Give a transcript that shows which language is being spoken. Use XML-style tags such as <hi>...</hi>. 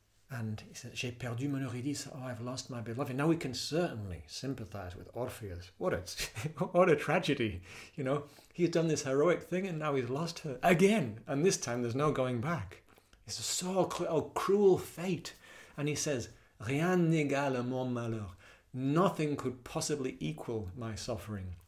<en>And he says,</en> <fr>j'ai perdu mon Eurydice,</fr> <en>oh, I've lost my beloved. Now we can certainly sympathize with Orpheus. What a tragedy, you know. He's done this heroic thing and now he's lost her again. And this time there's no going back. It's a so cruel fate. And he says,</en> <fr>rien n'égale mon malheur.</fr> <en>Nothing could possibly equal my suffering.</en>